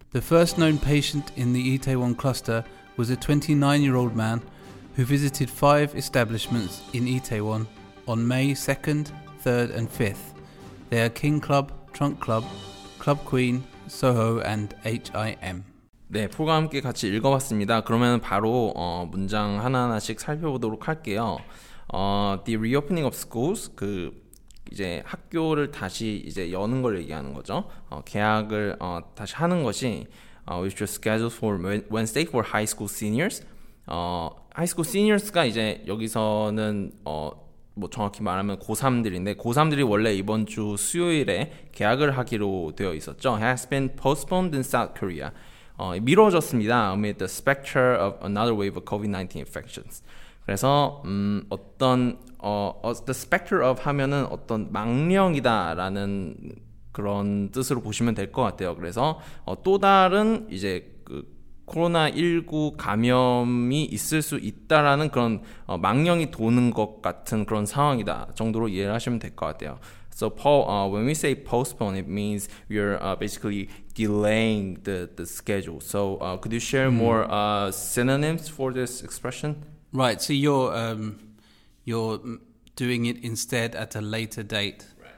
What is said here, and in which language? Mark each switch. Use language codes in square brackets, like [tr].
[en] The first known patient in the Itaewon cluster was a 29-year-old man who visited five establishments in Itaewon on May 2nd, 3rd and 5th. They are King Club, Trunk Club, Club Queen, Soho and HIM. [ko] 네, 폴과 함께 같이 읽어봤습니다. 그러면 바로 문장 하나하나씩 살펴보도록 할게요. [en] The reopening of schools, [ko] 그 이제 학교를 다시 이제 여는 걸 얘기하는 거죠. 개학을 다시 하는 것이 [en] which was scheduled for Wednesday for high school seniors. High school seniors [ko] 가 이제 여기서는 뭐 정확히 말하면 고3들인데, 고3들이 원래 이번 주 수요일에 개학을 하기로 되어 있었죠. [en] Has been postponed in South Korea. [ko] 미뤄졌습니다. [en] Amid the specter of another wave of COVID-19 infections. [ko] 그래서 어떤 [en] the specter of [ko] 하면은 어떤 망령이다라는 그런 뜻으로 보시면 될 것 같아요. 그래서 또 다른 이제 그 코로나19 감염이 있을 수 있다라는 그런 망령이 도는 것 같은 그런 상황이다 정도로 이해를 하시면 될 것 같아요. [en] So Paul, when we say postpone, it means we are basically delaying the schedule. So could you share more synonyms for this expression? Right. So you're doing it instead at a later date, right.